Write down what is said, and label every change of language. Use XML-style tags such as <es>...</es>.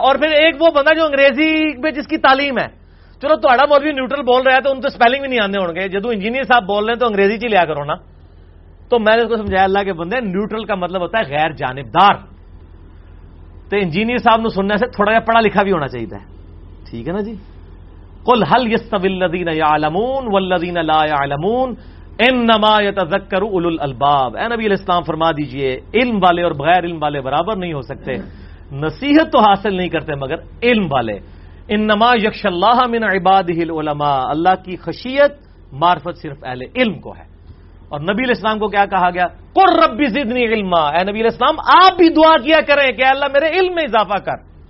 <ur>اور پھر ایک وہ بندہ جو انگریزی میں جس کی تعلیم ہے، چلو تھوڑا بہت بھی نیوٹرل بول رہا ہے تو ان تو اسپیلنگ بھی نہیں آنے ہوں گے، جدو انجینئر صاحب بول رہے ہیں تو انگریزی چی لیا کرو نا. تو میں نے اس کو سمجھایا اللہ کے بندے نیوٹرل کا مطلب ہوتا ہے غیر جانبدار. تو انجینئر صاحب نے سننے سے تھوڑا جا پڑھا لکھا بھی ہونا چاہیے، ٹھیک ہے نا جی.</ur> <ar>قل هل يستوي الذين يعلمون والذين لا يعلمون انما يتذكر اولو الالباب.</ar> <ur>اے نبی علیہ السلام فرما دیجئے علم والے اور بغیر علم والے برابر نہیں ہو سکتے، نصیحت تو حاصل نہیں کرتے مگر علم والے.</ur> <ar>انما يخشى الله من عباده العلماء،</ar> <ur>اللہ کی خشیت معرفت صرف اہل علم کو ہے. اور نبی علیہ السلام کو کیا کہا گیا؟</ur> <ar>قل رب زدنی علما.</ar> <ur>اے نبی علیہ السلام آپ بھی دعا کیا کریں کہ اللہ میرے علم میں اضافہ کر.</ur>